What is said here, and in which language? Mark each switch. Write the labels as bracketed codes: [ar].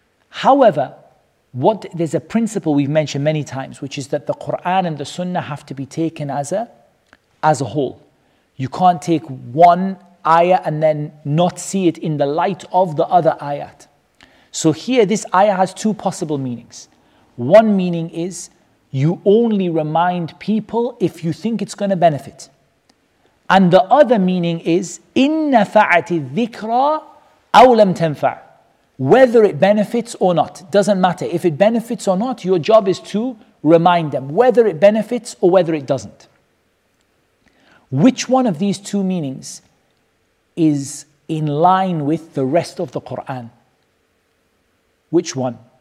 [en] However, there's a principle we've mentioned many times, which is that the Quran and the Sunnah have to be taken as a whole. You can't take one ayah and then not see it in the light of the other ayat. So here, this ayah has two possible meanings. One meaning is, you only remind people if you think it's going to benefit. And the other meaning is, [ar] إِنَّ فَعَتِ الذِّكْرَى أَوْ لَمْ تَنْفَعَ. [en] Whether it benefits or not, doesn't matter. If it benefits or not, your job is to remind them, whether it benefits or whether it doesn't. Which one of these two meanings is in line with the rest of the Quran? Which one?